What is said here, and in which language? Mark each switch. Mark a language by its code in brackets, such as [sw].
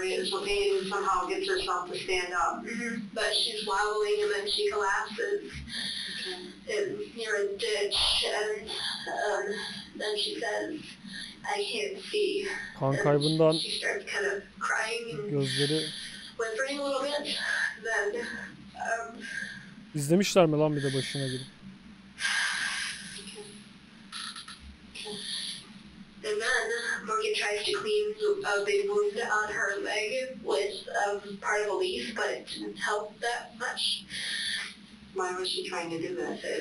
[en] So Peyton somehow gets herself to stand up. Mm-hmm. But she's wobbling and then she collapses. Near a ditch, and then she says, I can't see. [tr] Kan kaybından [en] she starts kind of crying and [tr] gözleri... [en] whimpering a little bit. Then, [tr] İzlemişler mi lan bir de başına girip? [en] And then Morgan tries to clean a big wound on her leg with part of a leaf, but it didn't help that much. Why was she trying to do that?